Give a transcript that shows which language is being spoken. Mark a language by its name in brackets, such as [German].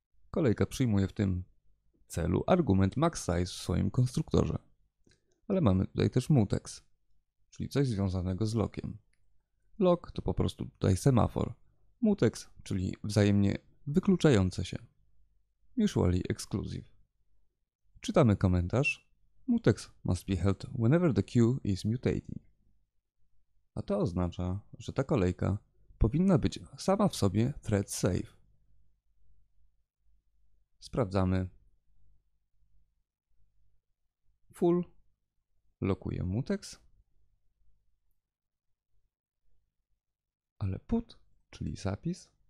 [Polish] Kolejka przyjmuje w tym celu argument max size w swoim konstruktorze. Ale mamy tutaj też mutex, czyli coś związanego z lockiem. Lock to po prostu tutaj semafor. Mutex, czyli wzajemnie wykluczające się. [English] Usually exclusive. [Polish] Czytamy komentarz. [English] Mutex must be held whenever the queue is mutating. [Polish] A to oznacza, że ta kolejka powinna być sama w sobie thread safe. Sprawdzamy. Full lokuje mutex, ale put, czyli zapis,